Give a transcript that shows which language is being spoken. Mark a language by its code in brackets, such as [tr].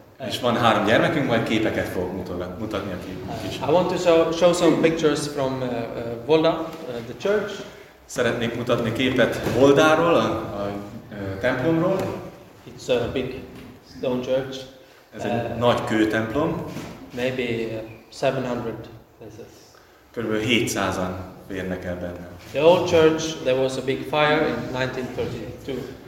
[hu] És van három gyermekünk, majd képeket fog mutatni a kicsit. [en] I want to show some pictures from Volda, the church. [hu] Szeretnék mutatni képet Voldáról, a templomról. [en] It's a big stone church. [hu] Ez egy nagy kőtemplom. [en] Maybe 700 places. [hu] Körülbelül 700-an férnek el benne. [en] The old church, there was a big fire in 1932.